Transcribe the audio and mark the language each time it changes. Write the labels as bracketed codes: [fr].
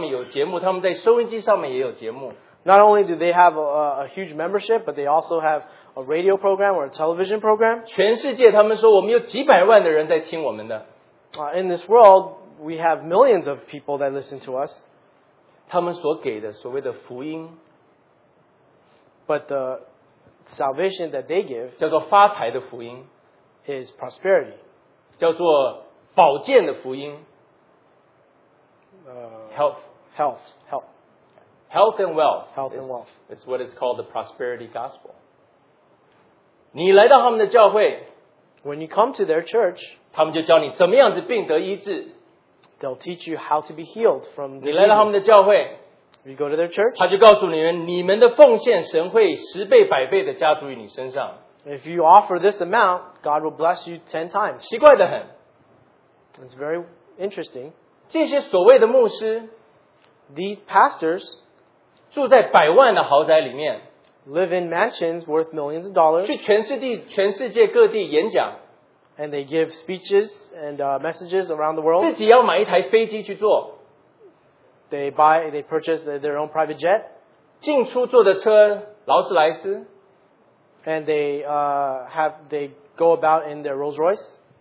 [zh] 这些人，他们有些人，他们不但有上万人的教会，他们在电视上面有节目，他们在收音机上面也有节目。 [en] Not only do they have a huge membership, but they also have a radio program or a television program. [zh] 全世界，他们说我们有几百万的人在听我们的。 [en] In this world, we have millions of people that listen to us. [zh] 他们所给的所谓的福音, [en] but the salvation that they give [zh] 叫做发财的福音, [en] is prosperity. [zh] 叫做保健的福音, [en] health and wealth. It's what is called the prosperity gospel. [zh] 你来到他们的教会, [en] when you come to their church, [zh] 他们就教你怎么样子病得医治。 [en] They'll teach you how to be healed from the [zh] 你来到他们的教会, [en] if you go to their church, [zh] 他就告诉你们, 你们的奉献神会十倍百倍的加诸于你身上。 [en] If you offer this amount, God will bless you 10 times. [zh] 奇怪得很。 [en] It's very interesting. [zh] 这些所谓的牧师, [en] these pastors [zh] 住在百万的豪宅里面, [en] live in mansions worth millions of dollars, [zh] 去全世界各地演讲, [en] and they give speeches and messages around the world. [zh] 自己要买一台飞机去坐, [en] they purchase their own private jet. [zh] 进出坐的车, 劳斯莱斯, [en] and they go about in their Rolls Royce.